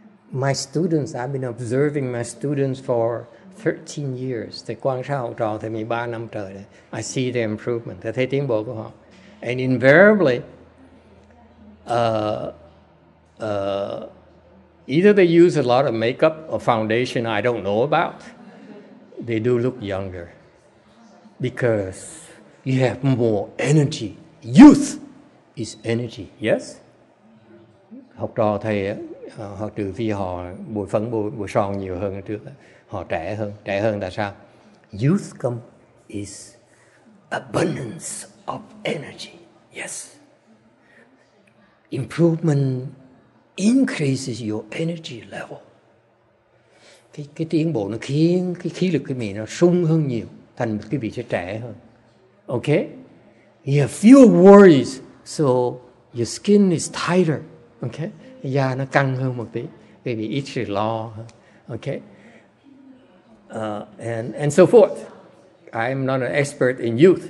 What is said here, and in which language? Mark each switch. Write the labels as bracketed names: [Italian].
[English] My students, I've been observing my students for 13 years. [Vietnamese] Thầy quan sát học trò thầy 13 năm trời đấy. [English] I see their improvement. [Vietnamese] Thầy thấy tiến bộ của họ. [English] And invariably, either they use a lot of makeup or foundation I don't know about, they do look younger. Because you have more energy. Youth is energy. Yes. [Vietnamese] Học trò thầy họ trừ phi họ bụi phấn bụi son nhiều hơn trước, họ trẻ hơn tại sao? [English] Youth come is abundance of energy. Yes. Improvement increases your energy level. [Vietnamese] Cái tiến bộ nó khiến cái khí lực cái mình nó sung hơn nhiều. Thành cái vị sẽ trẻ hơn. [English] Okay? You have fewer worries, so your skin is tighter. Okay? [Vietnamese] Da nó căng hơn một tí. Cái vị ít sự lo hơn. Okay? [English] And so forth. I'm not an expert in youth.